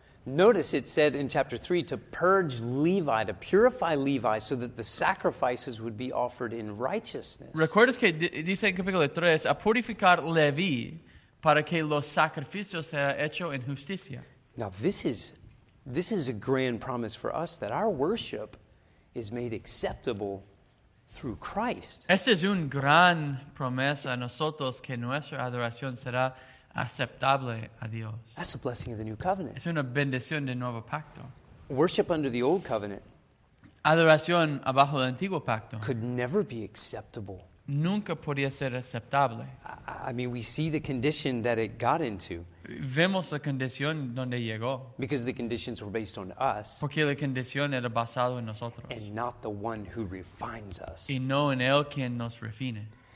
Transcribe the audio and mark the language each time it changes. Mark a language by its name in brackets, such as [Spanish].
[English] Notice it said in chapter 3 to purge Levi, to purify Levi so that the sacrifices would be offered in righteousness. [Spanish] ¿Recuerdas que dice en capítulo 3 a purificar Levi para que los sacrificios sean hechos en justicia? [English] Now this is a grand promise for us that our worship is made acceptable through Christ. [Spanish] Esa es una gran promesa a nosotros que nuestra adoración será aceptable a Dios. [English] That's a blessing of the new covenant. [Spanish] Es una bendición del nuevo pacto. [English] Worship under the old covenant. [Spanish] Adoración bajo el antiguo pacto. [English] Could never be acceptable. [Spanish] Nunca podía ser aceptable. [English] I mean, we see the condition that it got into. [Spanish] Vemos la condición donde llegó. [English] Because the conditions were based on us. [Spanish] Porque la condición era basado en nosotros. [English] And not the one who refines us. [Spanish] Y no en él quien nos refine.